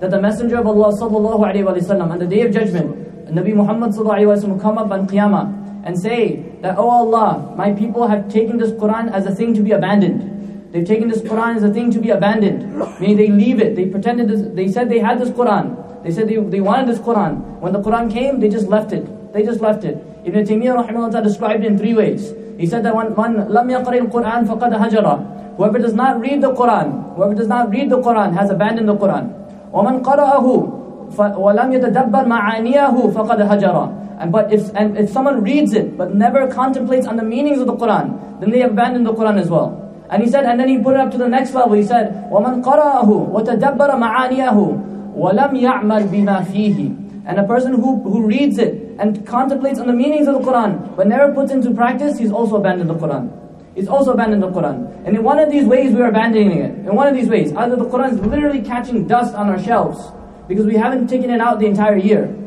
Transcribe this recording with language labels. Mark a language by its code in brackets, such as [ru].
[en] That the Messenger of Allah sallallahu alayhi wa sallam on the Day of Judgment, Nabi Muhammad sallallahu alayhi wa sallam will come up on Qiyamah and say that, O Allah, my people have taken this Quran as a thing to be abandoned. They've taken this Quran as a thing to be abandoned. Meaning they leave it. They pretended this, they said they had this Quran. They said they wanted this Quran. When the Quran came, they just left it. They just left it. Ibn Taymiyyah rahimahullah ta'ala described it in three ways. He said that one, [ar] لَمْ يَقْرَي الْقُرْآنَ فَقَدْ هَجَرَ. [en] Whoever does not read the Quran has abandoned the Quran. [ar] وَمَنْ قَرَأَهُ وَلَمْ يَتَدَبَّرْ مَعَانِيَهُ فَقَدْ هَجَرَ. [en] But if someone reads it but never contemplates on the meanings of the Quran, then they have abandoned the Quran as well. And he said, and then he put it up to the next level. He said, [ar] وَمَنْ قَرَأَهُ وَتَدَبَّرَ مَعَانِيَهُ وَلَمْ يَعْمَلْ بِمَا فِيهِ. [en] And a person who reads it and contemplates on the meanings of the Quran but never puts into practice, he's also abandoned the Quran. And in one of these ways, we're abandoning it. In one of these ways, either the Quran is literally catching dust on our shelves because we haven't taken it out the entire year,